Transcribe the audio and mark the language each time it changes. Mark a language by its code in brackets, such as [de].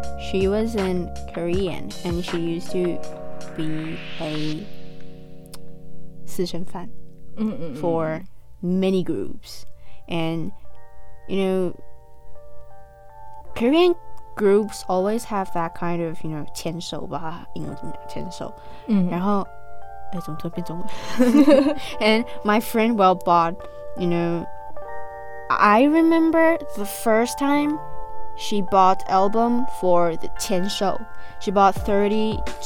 [en] She was in Korean and she used to be a 私生饭 for many groups, and you know, Korean groups always have that kind of, you know, [zh] 牵手吧, 英文怎么讲,牵手. Mm-hmm. 然后, 诶,怎么突然变中文? [en] And my friend well bought, you know, I remember the first time she bought album for the 牵手, she bought 32